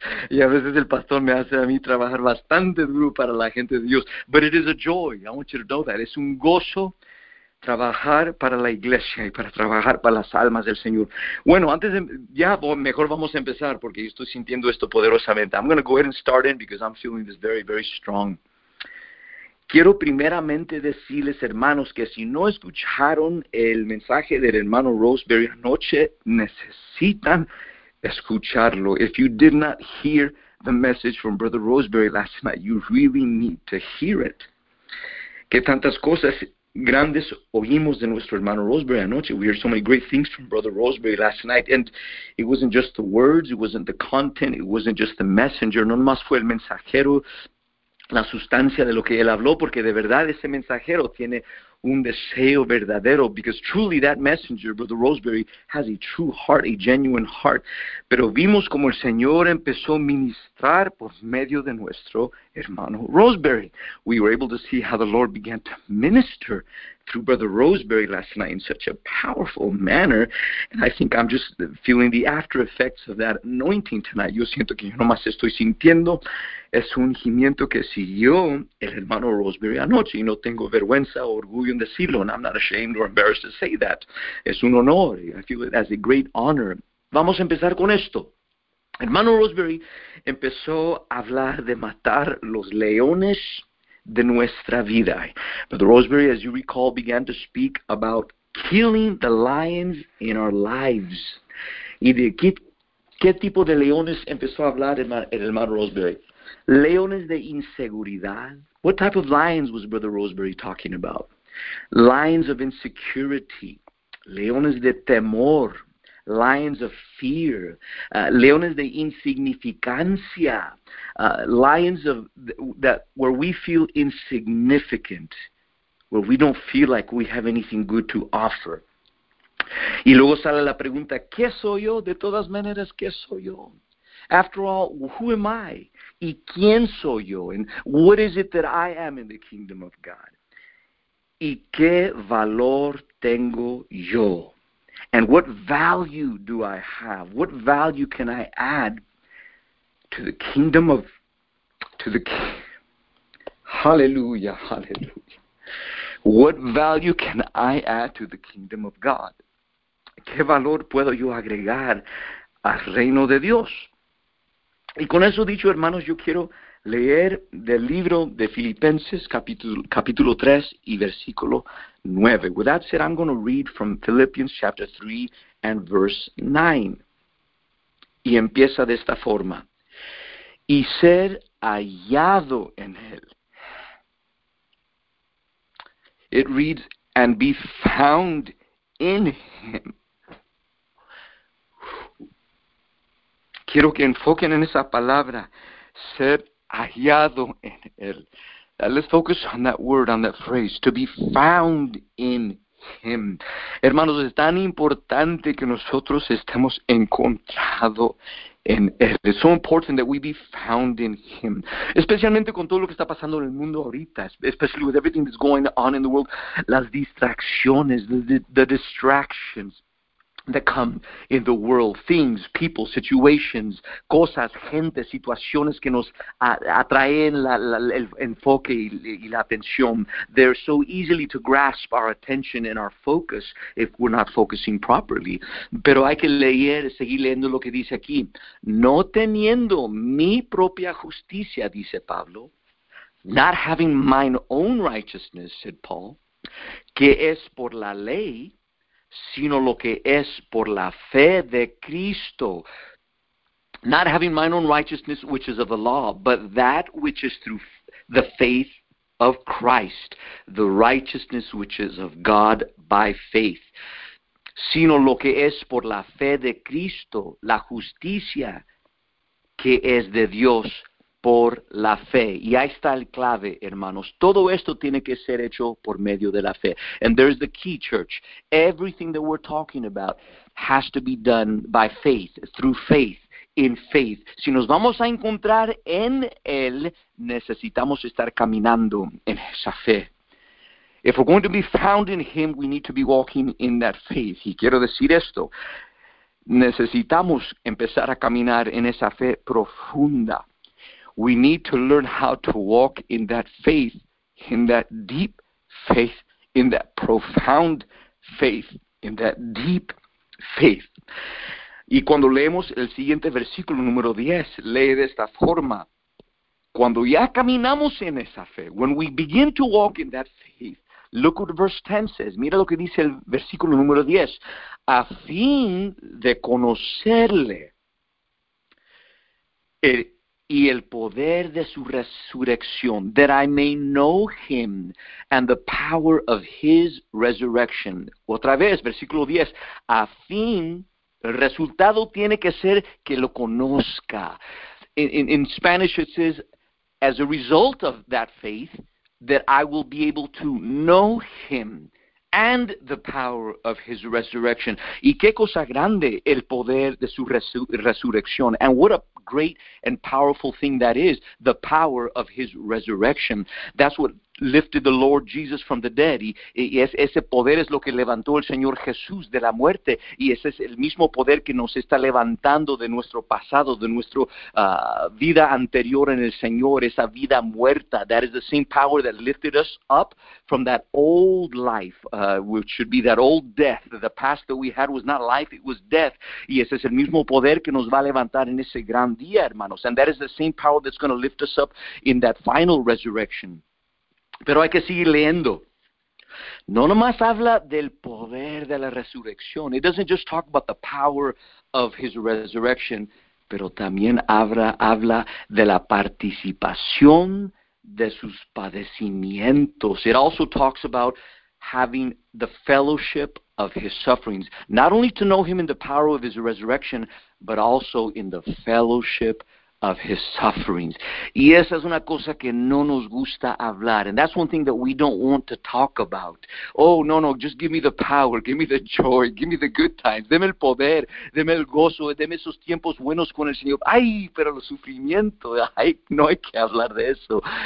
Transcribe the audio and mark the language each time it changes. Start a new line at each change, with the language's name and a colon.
Spanish: Y a veces el pastor me hace a mí trabajar bastante duro para la gente de Dios.
English: But it is a joy. I want you to know that.
Spanish: Es un gozo trabajar para la iglesia y para trabajar para las almas del Señor. Bueno, antes de, ya mejor vamos a empezar porque yo estoy sintiendo esto poderosamente.
English: I'm going to go ahead and start in because I'm feeling this very, very strong.
Spanish: Quiero primeramente decirles, hermanos, que si no escucharon el mensaje del hermano Roseberry anoche, necesitan escucharlo.
English: If you did not hear the message from Brother Roseberry last night, you really need to hear it.
Spanish: Que tantas cosas grandes oímos de nuestro hermano Roseberry anoche.
English: We heard so many great things from Brother Roseberry last night. And it wasn't just the words, it wasn't the content, it wasn't just the messenger.
Spanish: No más fue el mensajero, la sustancia de lo que él habló, porque de verdad ese mensajero tiene un deseo verdadero.
English: Because truly that messenger, Brother Roseberry, has a true heart, a genuine heart.
Spanish: Pero vimos como el Señor empezó a ministrar por medio de nuestro hermano Roseberry.
English: We were able to see how the Lord began to minister through Brother Roseberry last night in such a powerful manner. And I think I'm just feeling the after effects of that anointing tonight.
Spanish: Yo siento que yo nomás estoy sintiendo es un ungimiento que siguió el hermano Roseberry anoche. Y no tengo vergüenza o orgullo en decirlo.
English: And I'm not ashamed or embarrassed to say that.
Spanish: Es un honor.
English: I feel it as a great honor.
Spanish: Vamos a empezar con esto. Hermano Roseberry empezó a hablar de matar los leones de nuestra vida.
English: Brother Roseberry, as you recall, began to speak about killing the lions in our lives.
Spanish: ¿Y de qué tipo de leones empezó a hablar el hermano Roseberry? Leones de inseguridad.
English: What type of lions was Brother Roseberry talking about? Lions of insecurity.
Spanish: Leones de temor.
English: Lions of fear.
Spanish: Leones de insignificancia.
English: Lions of that where we feel insignificant, where we don't feel like we have anything good to offer.
Spanish: Y luego sale la pregunta, ¿qué soy yo? De todas maneras, ¿qué soy yo?
English: After all, who am I?
Spanish: ¿Y quién soy yo?
English: And what is it that I am in the kingdom of God?
Spanish: ¿Y qué valor tengo yo?
English: And what value do I have? What value can I add to the kingdom of, to the, hallelujah, hallelujah. What value can I add to the kingdom of God?
Spanish: ¿Qué valor puedo yo agregar al reino de Dios? Y con eso dicho, hermanos, yo quiero leer del libro de Filipenses, capítulo 3 y versículo 9.
English: With that said, I'm going to read from Philippians chapter 3 and verse 9.
Spanish: Y empieza de esta forma. Y ser hallado en él.
English: It reads, and be found in him.
Spanish: Quiero que enfoquen en esa palabra, ser hallado en él.
English: Let's focus on that word, on that phrase, to be found in him.
Spanish: Hermanos, es tan importante que nosotros estemos encontrados en él.
English: It's so important that we be found in him.
Spanish: Especialmente con todo lo que está pasando en el mundo ahorita,
English: especially with everything that's going on in the world,
Spanish: las distracciones,
English: the distractions. that come in the world, things, people, situations,
Spanish: cosas, gente, situaciones que nos atraen el enfoque y la atención.
English: They're so easily to grasp our attention and our focus if we're not focusing properly.
Spanish: Pero hay que leer, seguir leyendo lo que dice aquí. No teniendo mi propia justicia, dice Pablo.
English: Not having mine own righteousness, said Paul,
Spanish: que es por la ley, sino lo que es por la fe de Cristo.
English: Not having mine own righteousness, which is of the law, but that which is through the faith of Christ, the righteousness which is of God by faith.
Spanish: Sino lo que es por la fe de Cristo, la justicia que es de Dios por la fe. Y ahí está el clave, hermanos. Todo esto tiene que ser hecho por medio de la fe.
English: And there's the key, church. Everything that we're talking about has to be done by faith, through faith, in faith.
Spanish: Si nos vamos a encontrar en Él, necesitamos estar caminando en esa fe.
English: If we're going to be found in Him, we need to be walking in that faith.
Spanish: Y quiero decir esto. Necesitamos empezar a caminar en esa fe profunda.
English: We need to learn how to walk in that faith, in that deep faith, in that profound faith, in that deep faith.
Spanish: Y cuando leemos el siguiente versículo, número 10, lee de esta forma. Cuando ya caminamos en esa fe,
English: when we begin to walk in that faith, look what verse 10 says.
Spanish: Mira lo que dice el versículo número 10. A fin de conocerle, y el poder de su resurrección,
English: that I may know him and the power of his resurrection.
Spanish: Otra vez, versículo 10, a fin, el resultado tiene que ser que lo conozca.
English: In Spanish it says, as a result of that faith, that I will be able to know him and the power of his resurrection.
Spanish: Y qué cosa grande el poder de su resurrección.
English: And what a great and powerful thing that is, the power of his resurrection. That's what lifted the Lord Jesus from the dead.
Spanish: Ese poder es lo que levantó el Señor Jesús de la muerte. Y ese es el mismo poder que nos está levantando de nuestro pasado, de nuestra vida anterior en el Señor, esa vida muerta.
English: That is the same power that lifted us up from that old life, which should be that old death. The past that we had was not life, it was death.
Spanish: Y ese es el mismo poder que nos va a levantar en ese gran día, hermanos.
English: And that is the same power that's going to lift us up in that final resurrection.
Spanish: Pero hay que seguir leyendo. No nomás habla del poder de la resurrección.
English: It doesn't just talk about the power of his resurrection,
Spanish: pero también habla de la participación de sus padecimientos.
English: It also talks about having the fellowship of his sufferings. Not only to know him in the power of his resurrection, but also in the fellowship of his sufferings.
Spanish: Y esa es una cosa que no nos gusta hablar.
English: And that's one thing that we don't want to talk about. Oh, no, no, just give me the power, give me the joy, give me the good times.
Spanish: Deme el poder, deme el gozo, deme esos tiempos buenos con el Señor. Ay, pero los sufrimientos, ay, no hay que hablar de eso.